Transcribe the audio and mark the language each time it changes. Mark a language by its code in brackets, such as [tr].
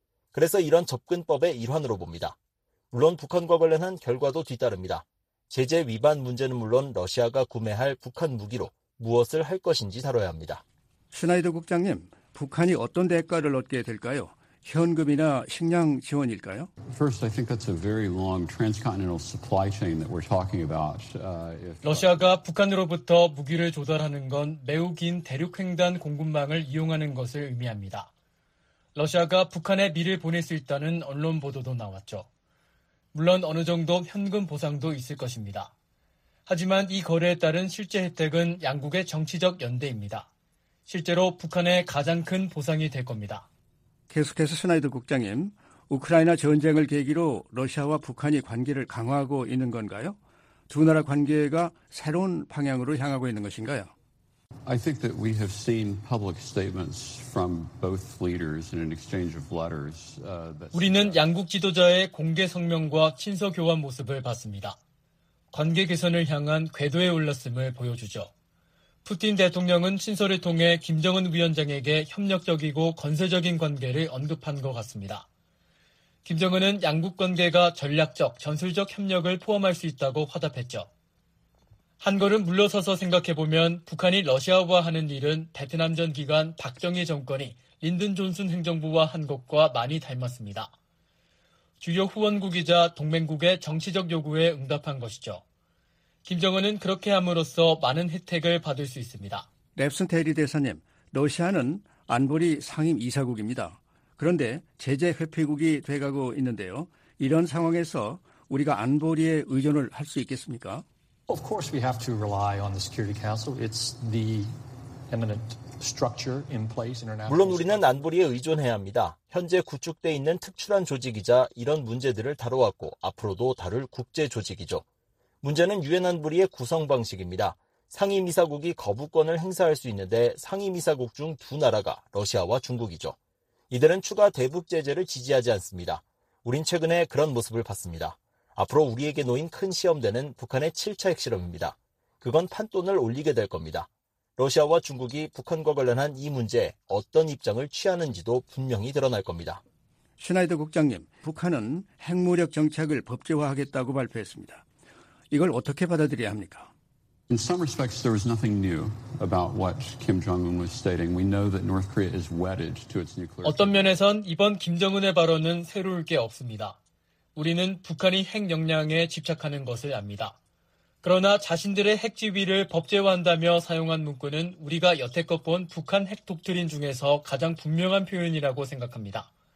[ko] 그래서 이런 접근법의 일환으로 봅니다. 물론 북한과 관련한 결과도 뒤따릅니다. 제재 위반 문제는 물론 러시아가 구매할 북한 무기로 무엇을 할 것인지 다뤄야 합니다. 스나이더 국장님, 북한이 어떤 대가를 얻게 될까요? 현금이나 식량 지원일까요? [en] First, I think that's a very long transcontinental supply chain that we're talking about. [ko] 러시아가 북한으로부터 무기를 조달하는 건 매우 긴 대륙횡단 공급망을 이용하는 것을 의미합니다. 러시아가 북한에 밀을 보낼 수 있다는 언론 보도도 나왔죠. 물론 어느 정도 현금 보상도 있을 것입니다. 하지만 이 거래에 따른 실제 혜택은 양국의 정치적 연대입니다. 실제로 북한의 가장 큰 보상이 될 겁니다. 계속해서 스나이더 국장님, 우크라이나 전쟁을 계기로 러시아와 북한이 관계를 강화하고 있는 건가요? 두 나라 관계가 새로운 방향으로 향하고 있는 것인가요? [en] I think that we have seen public statements from both leaders in an exchange of letters. [ko] 우리는 양국 지도자의 공개 성명과 친서 교환 모습을 봤습니다. 관계 개선을 향한 궤도에 올랐음을 보여주죠. 푸틴 대통령은 친서를 통해 김정은 위원장에게 협력적이고 건설적인 관계를 언급한 것 같습니다. 김정은은 양국 관계가 전략적, 전술적 협력을 포함할 수 있다고 화답했죠. 한 걸음 물러서서 생각해보면 북한이 러시아와 하는 일은 베트남 전 기간 박정희 정권이 린든 존슨 행정부와 한 것과 많이 닮았습니다. 주요 후원국이자 동맹국의 정치적 요구에 응답한 것이죠. 김정은은 그렇게 함으로써 많은 혜택을 받을 수 있습니다. 랩슨 대리 대사님, 러시아는 안보리 상임 이사국입니다. 그런데 제재 회피국이 돼가고 있는데요. 이런 상황에서 우리가 안보리에 의존을 할 수 있겠습니까? [en] Of course we have to rely on the Security Council. It's the eminent structure in place internationally. [ko] 물론 우리는 안보리에 의존해야 합니다. 현재 구축돼 있는 특출한 조직이자 이런 문제들을 다뤄왔고 앞으로도 다룰 국제 조직이죠. 문제는 유엔 안보리의 구성 방식입니다. 상임이사국이 거부권을 행사할 수 있는데 상임이사국 중 두 나라가 러시아와 중국이죠. 이들은 추가 대북 제재를 지지하지 않습니다. 우린 최근에 그런 모습을 봤습니다. 앞으로 우리에게 놓인 큰 시험대는 북한의 7차 핵실험입니다. 그건 판돈을 올리게 될 겁니다. 러시아와 중국이 북한과 관련한 이 문제에 어떤 입장을 취하는지도 분명히 드러날 겁니다. 슈나이더 국장님, 북한은 핵무력 정책을 법제화하겠다고 발표했습니다. 이걸 어떻게 받아들여야 합니까? [en] In some respects, there was nothing new about what Kim Jong-un was stating. We know that North Korea is wedded to its nuclear. [ko] 어떤 면에선 이번 김정은의 발언은 새로울 게 없습니다. 우리는 북한이 핵 역량에 집착하는 것을 압니다. 그러나 자신들의 핵 지위를 법제화한다며 사용한 문구는 우리가 여태껏 본 북한 핵 독트린 중에서 가장 분명한 표현이라고 생각합니다.